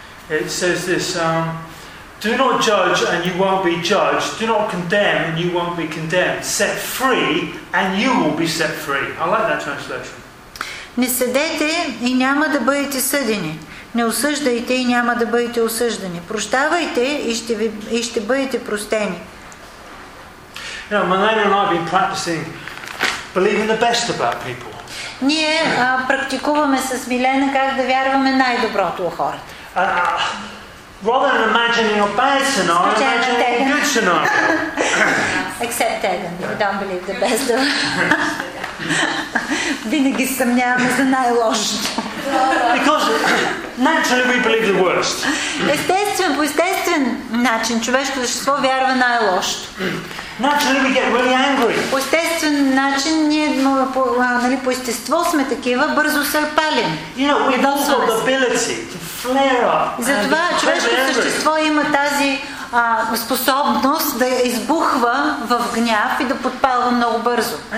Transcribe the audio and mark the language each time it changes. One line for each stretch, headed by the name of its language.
English: It says this Do not judge and you won't be judged. Do not condemn and you won't be condemned. Set free and you will be set free. I like that translation.
Bulgarian: Не съдете и няма да бъдете съдени. Не осъждайте и няма да бъдете осъждани. Прощавайте и ще бъдете простени.
English: You know, Melanie and I have been practicing believing the best about people.
Bulgarian: Ние практикуваме с Милена как да вярваме най-доброто у хората.
English: Rather than imagining a bad scenario, imagine a good scenario. Except Eden, we don't believe the best of
Bulgarian: Винаги съмняваме за най-лошото.
English: Because naturally we believe the worst.
Bulgarian: Естествено, по естествен начин човешкото същество вярва най-лошото.
English: Naturally we get really angry.
Bulgarian: По естествен начин ние, нали, по естество сме такива, бързо се палим.
English: You know, we have the ability to flare up.
Bulgarian: Затова човешкото същество има тази способност да избухва в гняв и да подпалва много бързо.